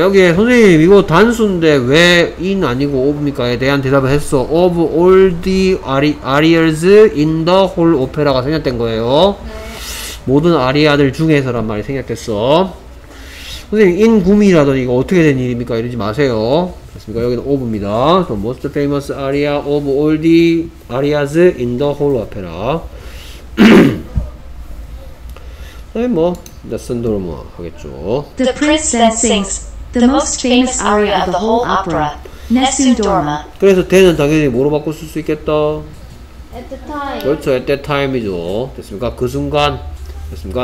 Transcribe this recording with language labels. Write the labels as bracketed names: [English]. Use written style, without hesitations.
[Korean] 여기에 선생님 이거 단수인데 왜 in 아니고 of입니까에 대한 대답을 했어. [English] Of all the arias in the whole opera가 [Korean] 생략된 거예요. 네. 모든 아리아들 중에서란 말이 생략됐어. 선생님 in 구미라더니 이거 어떻게 된 일입니까? 이러지 마세요. 좋습니까? 여기는 of입니다. [English] The most famous aria of all the arias in the whole opera. [Korean] 네, 뭐 레슨도로 뭐 하겠죠. [English] The prince then sings the most famous aria of the whole opera, Nessun Dorma. [Korean] 그래서 then은 당연히 뭐로 바꿀 수 있겠다. [English] At the time. [Korean] 그렇죠, [English] at the time [Korean] 이죠. 됐습니까? 그 순간. 됐습니까?